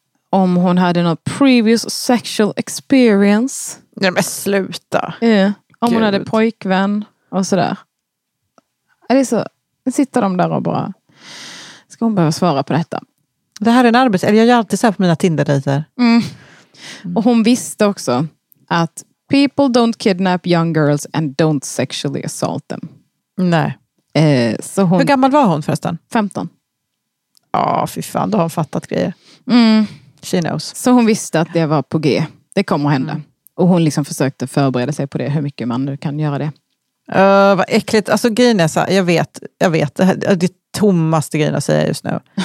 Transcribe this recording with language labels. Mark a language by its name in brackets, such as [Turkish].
[Swedish] Om hon hade något [English] previous sexual experience. [Swedish] Nej men sluta. [English] Yeah. [Swedish] Om Gud. Hon hade pojkvän och sådär. Eller så sitter de där och bara. Ska hon behöva svara på detta? Det här är en arbets... Eller jag gör alltid så här på mina Tinder-dater. Mm. Och hon visste också att [English] people don't kidnap young girls and don't sexually assault them. [Swedish] Nej. Så hon... Hur gammal var hon förresten? 15. Ja, fy fan, då har hon fattat grejer. Mm. [English] She knows. [Swedish] Så hon visste att det var på G. Det kommer att hända. Mm. Och hon liksom försökte förbereda sig på det. Hur mycket man nu kan göra det. Vad äckligt. Alltså grejen är så här, jag vet. Det är det tommaste grejen att säga just nu.